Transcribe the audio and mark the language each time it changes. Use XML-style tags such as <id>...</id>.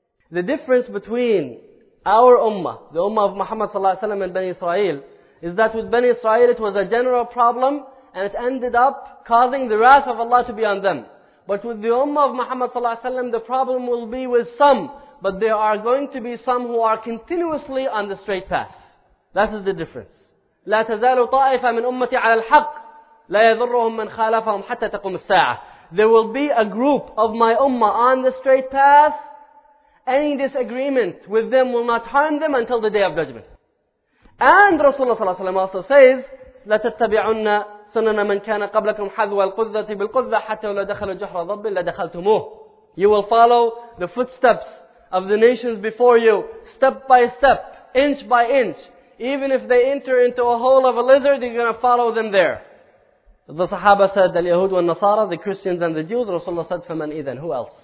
<en>The difference between our ummah, the ummah of Muhammad sallallahu alaihi wasallam, and Bani Israel, is that with Bani Israel it was a general problem, and it ended up causing the wrath of Allah to be on them. But with the ummah of Muhammad sallallahu alaihi wasallam, the problem will be with some, but there are going to be some who are continuously on the straight path. That is the difference.</en> <ar>لا تزال طائفة من أمتي على الحق لا يضرهم من خالفهم حتى تقوم الساعة.</ar> <en>There will be a group of my ummah on the straight path. Any disagreement with them will not harm them until the Day of Judgment. And Rasulullah sallallahu alaihi wasallam also says,</en> <ar>لا تتبعن سنن من كان قبلكم حذو القذة بالقذة حتى لو دخلوا جحر ضب لا دخلتموه.</ar> <en>You will follow the footsteps of the nations before you, step by step, inch by inch. Even if they enter into a hole of a lizard, you're going to follow them there. The Sahaba said, al-Yahud wal-Nasara, the Christians and the Jews. Rasulullah said, faman idhan, who else?</en>